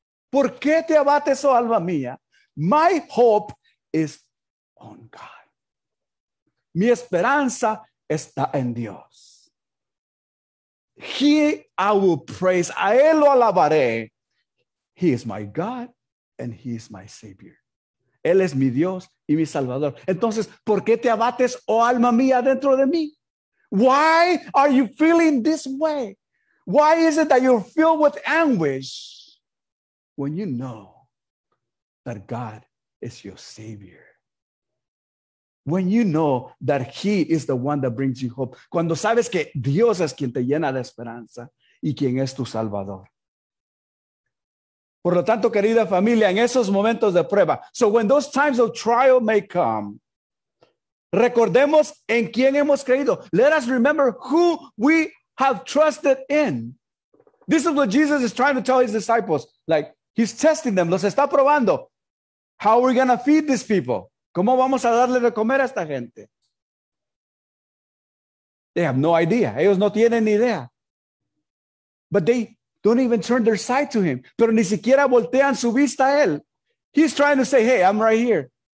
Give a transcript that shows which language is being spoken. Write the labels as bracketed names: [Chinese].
[Spanish] ¿Por qué te abates, oh alma mía? [English] My hope is on God. [Spanish] Mi esperanza está en Dios. [English] He I will praise. [Spanish] A él lo alabaré. [English] He is my God and he is my Savior. [Spanish] Él es mi Dios y mi Salvador. Entonces, ¿por qué te abates, oh alma mía, dentro de mí? [English] Why are you feeling this way? Why is it that you're filled with anguish when you know that God is your Savior? When you know that He is the one that brings you hope. [Spanish] Cuando sabes que Dios es quien te llena de esperanza y quien es tu Salvador. Por lo tanto, querida familia, en esos momentos de prueba. [English] So when those times of trial may come, [Spanish] recordemos en quién hemos creído. [English] Let us remember who we have trusted in. This is what Jesus is trying to tell his disciples. Like, he's testing them. [Spanish] Los está probando. [English] How are we going to feed these people? [Spanish] ¿Cómo vamos a darle de comer a esta gente? [English] They have no idea. [Spanish] Ellos no tienen ni idea. [English] But they don't even turn their sight to him. [Spanish] Pero ni siquiera voltean su vista a él. [English] He's trying to say, hey, I'm right here.